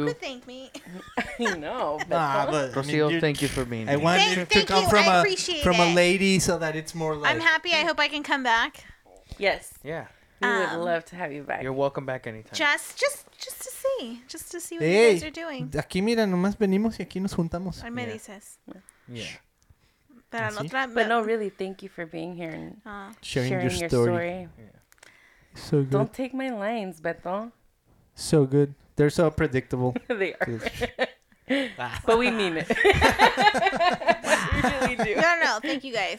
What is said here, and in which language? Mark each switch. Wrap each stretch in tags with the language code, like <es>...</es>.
<en>You could thank me. I know, but Rocio, thank you for being here. I wanted to come from a lady so that it's more like... I'm happy. I hope I can come back. Yes. Yeah. We would love to have you back. You're welcome back anytime. Just to see what you guys are doing.</en> <es>Aquí, mira, nomás venimos y aquí nos juntamos. Ahí me dices.</es> <en>Yeah. But no, really, thank you for being here and sharing your story. Yeah. So good. Don't take my lines, Beto. So good. They're so predictable. They are. But we mean it. We really do. No. Thank you, guys.</en>